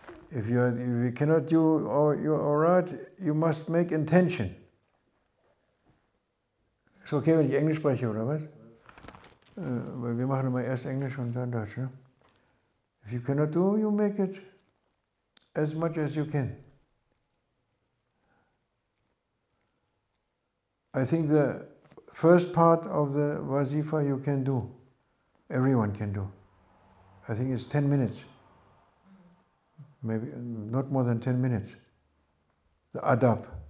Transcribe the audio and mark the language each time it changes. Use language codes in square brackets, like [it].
[en] If you cannot do your aurat, you must make intention. [de] Ist okay, wenn ich Englisch spreche, oder was? Weil wir machen immer erst Englisch und dann Deutsch. Ne? [en] If you cannot do, you make it as much as you can. I think the first part of the wazifa you can do. Everyone can do. I think it's 10 minutes. Maybe not more than 10 minutes. The adab.